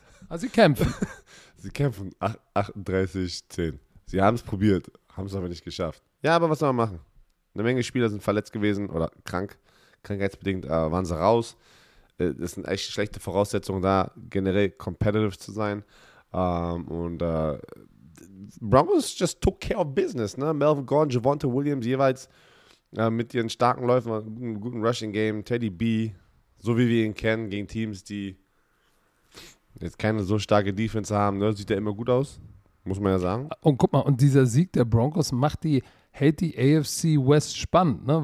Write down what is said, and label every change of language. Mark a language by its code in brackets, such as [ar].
[de] Aber sie kämpfen. Sie kämpfen 38-10. Sie haben es probiert, haben es aber nicht geschafft. Ja, aber was soll man machen? Eine Menge Spieler sind verletzt gewesen oder krank. Krankheitsbedingt waren sie raus. Das sind echt schlechte Voraussetzungen, da generell competitive zu sein. [en] Broncos just took care of business. [de] Ne? Melvin Gordon, Javonte Williams jeweils mit ihren starken Läufen, einem guten Rushing Game. Teddy B, so wie wir ihn kennen, gegen Teams, die jetzt keine so starke Defense haben, ne? Sieht ja immer gut aus, muss man ja sagen. Und guck mal, und dieser Sieg der Broncos macht die, hält die AFC West spannend, ne?